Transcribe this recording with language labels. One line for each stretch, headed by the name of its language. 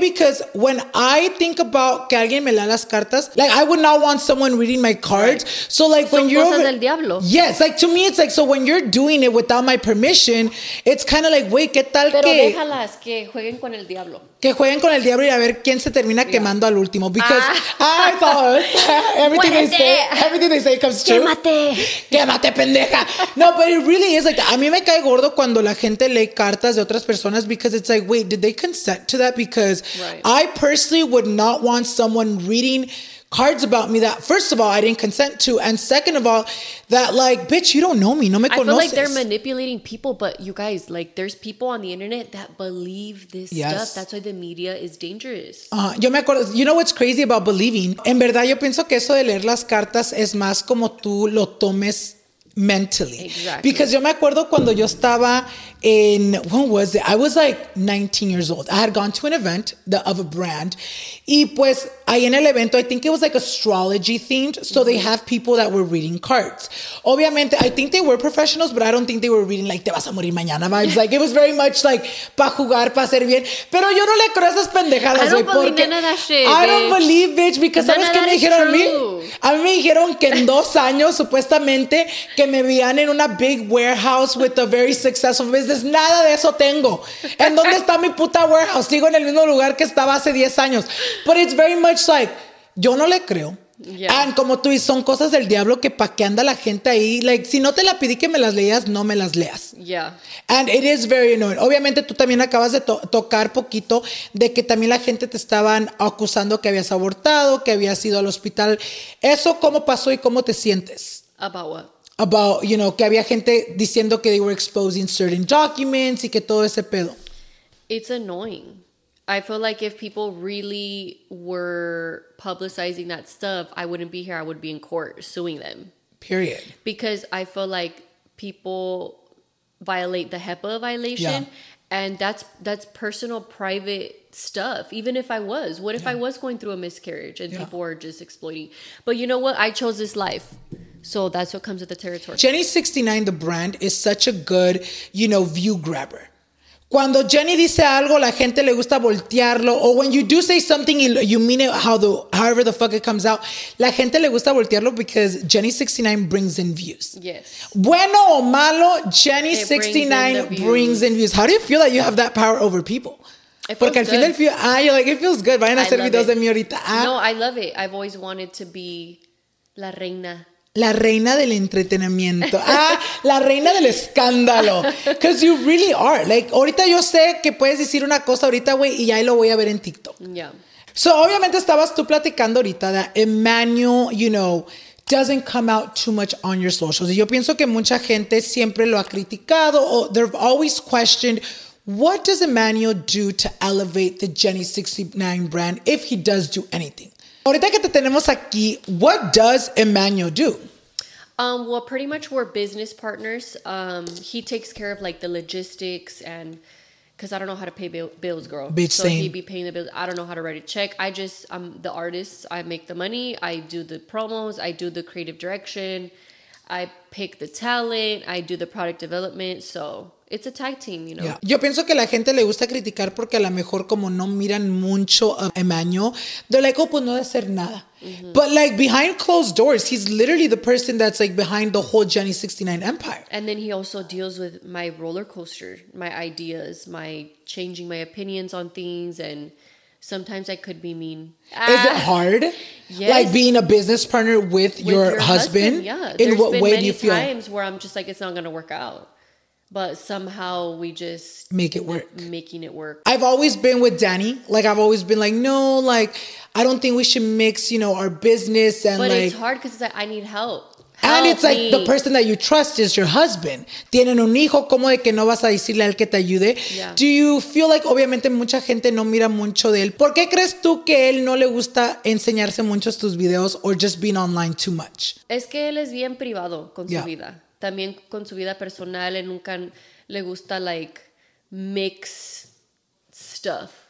English: Because when I think about
Spanish: que alguien me lea las cartas,
English: like I would not want someone reading my cards. Right. So like
Spanish: son
English: when you're
Spanish: cosas del diablo.
English: Yes, like to me it's like, so when you're doing it without my permission, it's kind of like, wait,
Spanish: ¿qué tal pero que? Pero déjalas que jueguen con el diablo. Que jueguen con el diablo y a ver quién se termina quemando al último.
English: Because I thought everything is everything they say comes true.
Spanish: ¡Quémate! ¡Quémate, pendeja!
English: No, but it really is like,
Spanish: a mí me cae gordo cuando la gente lee cartas de otras personas
English: because it's like, wait, did they consent to that? Because right. I personally would not want someone reading cards about me that, first of all, I didn't consent to, and second of all, that like, bitch, you don't know me.
Spanish: No me conoces.
English: I feel like they're manipulating people, but you guys, like, there's people on the internet that believe this stuff. That's why the media is dangerous.
Spanish: Yo me acuerdo,
English: you know what's crazy about believing?
Spanish: En verdad, yo pienso que eso de leer las cartas es más como tú lo tomes mentally.
English: Exactly.
Spanish: Because yo me acuerdo cuando yo estaba
English: in, when was it? I was like 19 years old. I had gone to an event of a brand.
Spanish: Y pues, ahí en el evento,
English: I think it was like astrology themed. So mm-hmm. they have people that were reading cards.
Spanish: Obviamente,
English: I think they were professionals, but I don't think they were reading like,
Spanish: te vas a morir mañana
English: vibes. Like, it was very much like,
Spanish: pa jugar, pa hacer bien. Pero yo no le creo esas pendejadas, güey.
English: I don't believe none of that shit, bitch. I don't believe, bitch, because none
Spanish: ¿sabes qué me dijeron a mí? A mí me dijeron que en 2 años, supuestamente, que me veían en una
English: big warehouse with a very successful business.
Spanish: Nada de eso tengo. ¿En dónde está mi puta warehouse? Sigo en el mismo lugar que estaba hace 10 años.
English: But it's very much like,
Spanish: yo no le creo.
English: Yeah.
Spanish: And como tú dices, son cosas del diablo que pa' qué anda la gente ahí. Like, si no te la pedí que me las leas, no me las leas.
English: Yeah. And it is very annoying.
Spanish: Obviamente, tú también acabas de tocar poquito de que también la gente te estaban acusando que habías abortado, que habías ido al hospital. ¿Eso cómo pasó y cómo te sientes?
English: About what? About, you know,
Spanish: que había gente diciendo que
English: they were exposing certain documents
Spanish: y que todo ese pedo.
English: It's annoying. I feel like if people really were publicizing that stuff, I wouldn't be here. I would be in court suing them. Period. Because I feel like people violate the HIPAA violation. Yeah. And that's personal, private stuff. Even if I was, what if I was going through a miscarriage and people were just exploiting? But you know what? I chose this life. So that's what comes with the territory. Jenny69, the brand, is such a good, you know, view grabber.
Spanish: Cuando Jenny dice algo, la gente le gusta voltearlo.
English: Or when you do say something, you mean it however the fuck it comes out.
Spanish: La gente le gusta voltearlo
English: because Jenny69 brings in views. Yes.
Spanish: Bueno o malo,
English: Jenny69 brings in views. How do you feel that you have that power over people? It feels good.
Spanish: Vayan a hacer videos de mí ahorita.
English: No, I love it. I've always wanted to be la reina.
Spanish: La reina del entretenimiento. Ah, la reina del escándalo.
English: Because you really are.
Spanish: Like, ahorita yo sé que puedes decir una cosa ahorita, güey, y ahí lo voy a ver en TikTok.
English: Yeah. So,
Spanish: obviamente, estabas tú platicando ahorita de
English: Emmanuel, you know, doesn't come out too much on your socials.
Spanish: Y yo pienso que mucha gente siempre lo ha criticado o
English: they've always questioned, what does Emmanuel do to elevate the Jenny69 brand if he does do anything?
Spanish: Ahorita que te tenemos aquí,
English: what does Emmanuel do? Well, pretty much we're business partners. He takes care of like the logistics and because I don't know how to pay bills, girl. Bitch, so same. He'd be paying the bills. I don't know how to write a check. I'm the artist. I make the money. I do the promos. I do the creative direction. I pick the talent. I do the product development. So it's a tag team, you know. Yeah.
Spanish: Yo pienso que la gente le gusta criticar porque a lo mejor como no miran mucho a Emmanuel,
English: they're like, oh,
Spanish: pues no de hacer nada.
English: Mm-hmm. But like behind closed doors, he's literally the person that's like behind the whole Jenny69 empire. And then he also deals with my roller coaster, my ideas, my changing my opinions on things and Sometimes I could be mean. Is it hard? Yes. Like being a business partner with your husband? Yeah. In what way do you feel? There's times where I'm just like, it's not going to work out. But somehow we just... make it work. Making it work. I've always been with Danny. Like, I've always been like, no, like, I don't think we should mix, you know, our business and but like... But it's hard because it's like, I need help. And it's like the person that you trust is your husband.
Spanish: Tienen un hijo, ¿cómo de que no vas a decirle a él que te ayude?
English: Yeah. Do you feel like,
Spanish: obviamente, mucha gente no mira mucho de él. ¿Por qué crees tú que él no le gusta enseñarse mucho tus videos
English: or just being online too much?
Spanish: Es que él es bien privado con su vida. También con su vida personal, él nunca le gusta, like,
English: mix stuff.